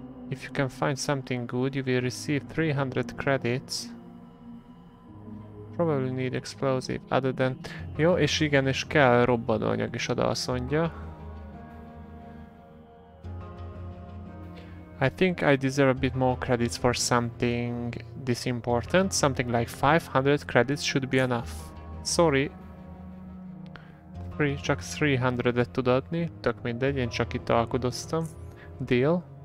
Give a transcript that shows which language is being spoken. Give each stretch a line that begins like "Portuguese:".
English: If you can find something good, you will receive 300 credits. Probably need explosive other than...
Hungarian: Jó, és igen, és kell robbanóanyag is oda a szondja.
English: I think I deserve a bit more credits for something this important. Something like 500 credits should be enough. Sorry.
Hungarian: Csak 300-et tud adni, tök mindegy, én csak itt alkudoztam.
English: Deal.